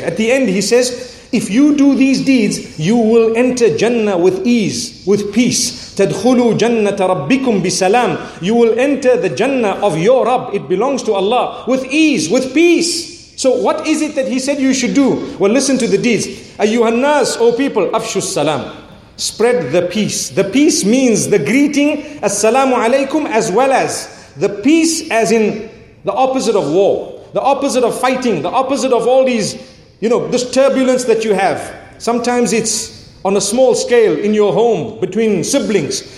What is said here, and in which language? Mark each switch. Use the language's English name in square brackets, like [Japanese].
[English] At the end he says, if you do these deeds, you will enter Jannah with ease, with peace. [Arabic] تَدْخُلُوا جَنَّةَ رَبِّكُمْ بِسَلَامٍ. [English] You will enter the Jannah of your Rabb. It belongs to Allah. With ease, with peace. So what is it that he said you should do? Well, listen to the deeds. [Arabic] أَيُّهَا النَّاسُ, [English] O people, [Arabic] أَفْشُوا السَّلَامِ. [English] Spread the peace. The peace means the greeting, assalamu alaikum, as well as the peace as in the opposite of war, the opposite of fighting, the opposite of all these, you know, this turbulence that you have. Sometimes it's on a small scale in your home between siblings.